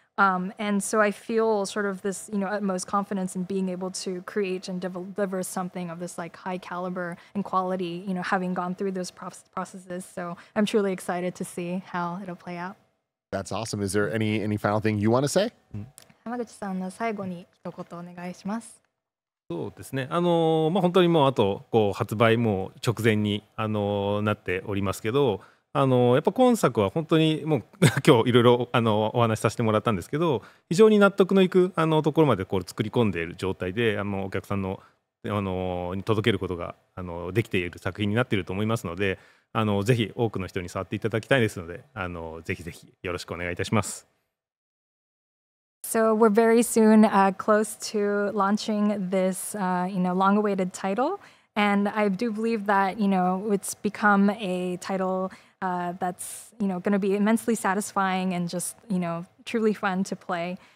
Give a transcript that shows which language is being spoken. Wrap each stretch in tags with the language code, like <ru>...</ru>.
<en>And so I feel sort of this, you know, utmost confidence in being able to create and deliver something of this like high caliber and quality, you know, having gone through those processes. So I'm truly excited to see how it'll play out. That's awesome. Is there any final thing you want to say?</en> <ja>Hamaguchi-san, 最後に一言お願いします。そうですね。まあ本当にもうあとこう発売もう直前に、なっておりますけど、やっぱ今作は本当にもう今日いろいろお話しさせてもらったんですけど、非常に納得のいくところまでこう作り込んでいる状態でお客さんのに届けることができている作品になっていると思いますので、ぜひ多くの人に触っていただきたいですので、ぜひぜひよろしくお願いいたします。</ja> <en>So we're very soon close to launching this you know, long-awaited title, and I do believe that, you know, it's become a title that's, you know, going to be immensely satisfying and just, you know, truly fun to play.</en>